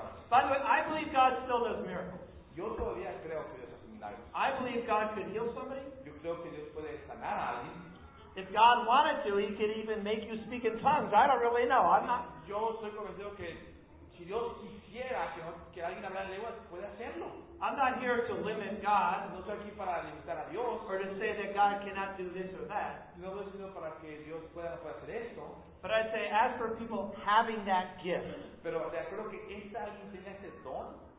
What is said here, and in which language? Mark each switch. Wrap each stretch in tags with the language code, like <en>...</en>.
<en>By the way, I believe God still does miracles.</en> <es>Yo todavía creo que Dios hace milagros.</es> <en>I believe God could heal somebody.</en> <es>Yo creo que Dios puede sanar a alguien.</es> <en>If God wanted to, he could even make you speak in tongues. I don't really know. I'm not.</en> <es>Yo soy convencido que si Dios quisiera que alguien hablara en lenguas, puede hacerlo.</es> <en>I'm not here to limit God.</en> <es>No estoy aquí para limitar a Dios.</es> <en>Or to say that God cannot do this or that.</en> <es>No estoy sino para que Dios pueda hacer esto.</es> <en>But I say, as for people having that gift.</en> <es>Pero de acuerdo que esta alguien tenga ese don.</es>